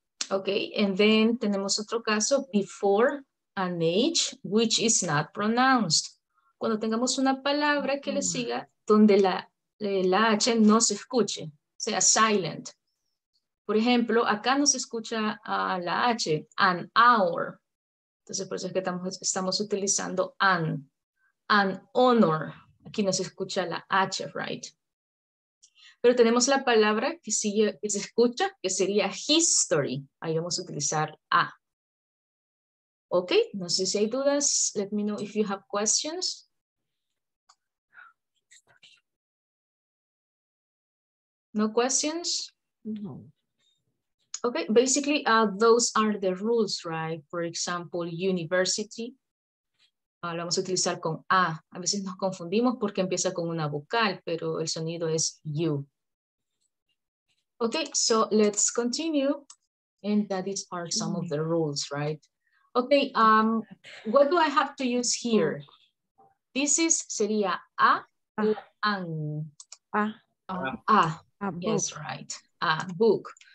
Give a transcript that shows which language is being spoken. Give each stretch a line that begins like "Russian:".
English: Okay, and then
Spanish: tenemos otro caso,
English: before an age, which is not pronounced.
Spanish: Cuando tengamos una palabra que le siga donde la H no se escuche, sea silent. Por ejemplo, acá no se escucha la H, an hour. Entonces, por eso es que estamos utilizando an. An honor. Aquí no se escucha la H, right? Pero tenemos la palabra que sigue, que se escucha, que sería history. Ahí vamos a utilizar A. Ok, no sé si hay dudas.
English: Let me know if you have questions. No questions? No. Okay, basically, those are the rules, right? For example, university.
Spanish: Lo vamos a utilizar con A. A veces nos confundimos porque empieza con una vocal, pero el sonido es U.
English: Okay, so let's continue. And that is are some of the rules, right? Okay, what do I have to use here? This is, sería A. Yes, right. A book.